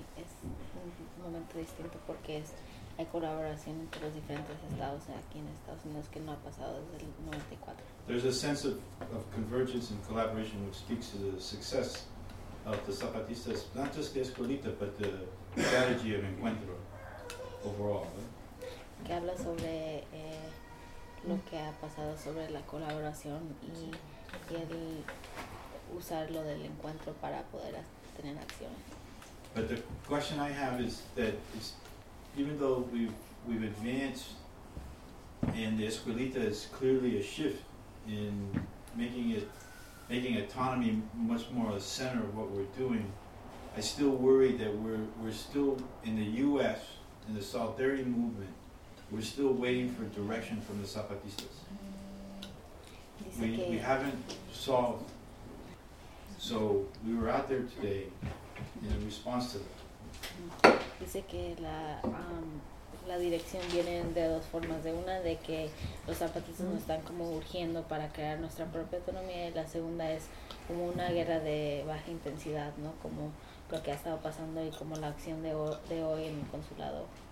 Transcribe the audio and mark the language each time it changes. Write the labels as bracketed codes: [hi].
[en] It's a different moment because there's collaboration between different states here in the Estados Unidos that hasn't happened since 94. There's a sense of convergence and collaboration which speaks to the success of the Zapatistas, not just the Escolita, but the strategy of Encuentro overall. [es] Que habla sobre lo que ha pasado sobre la colaboración y el usar lo del encuentro para poder tener acciones. [en] But the question I have is that is, even though we've advanced and the Escolita is clearly a shift in making autonomy much more a center of what we're doing, I still worry that we're still in the U.S., in the solidarity movement, we're still waiting for direction from the Zapatistas. We haven't solved. So we were out there today in response to that. [es] Dice que la dirección viene de dos formas, de una de que los zapatistas nos están como urgiendo para crear nuestra propia autonomía, y la segunda es como una guerra de baja intensidad, ¿no? Como lo que ha estado pasando y como la acción de hoy en el consulado.